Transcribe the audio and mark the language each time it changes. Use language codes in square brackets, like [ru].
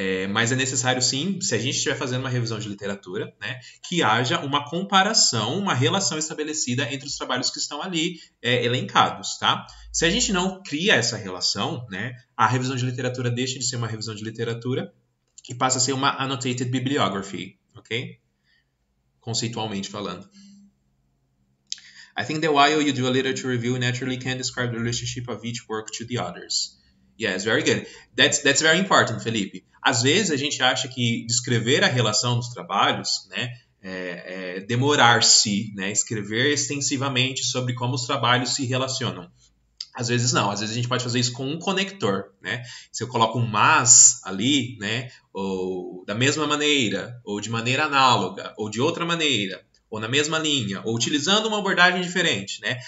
[pt] Mas é necessário sim, se a gente estiver fazendo uma revisão de literatura, né, que haja uma comparação, uma relação estabelecida entre os trabalhos que estão ali, elencados, tá? Se a gente não cria essa relação, né, a revisão de literatura deixa de ser uma revisão de literatura e passa a ser uma annotated bibliography, ok? Conceitualmente falando. [en] I think that while you do a literature review, naturally can describe the relationship of each work to the others. Yes, very good. That's very important, Felipe. [pt] Às vezes a gente acha que descrever a relação dos trabalhos, né, demorar-se, né, escrever extensivamente sobre como os trabalhos se relacionam. Às vezes não. Às vezes a gente pode fazer isso com um conector, né? Se eu coloco um mas ali, né, ou da mesma maneira, ou de maneira análoga, ou de outra maneira, ou na mesma linha, ou utilizando uma abordagem diferente, né?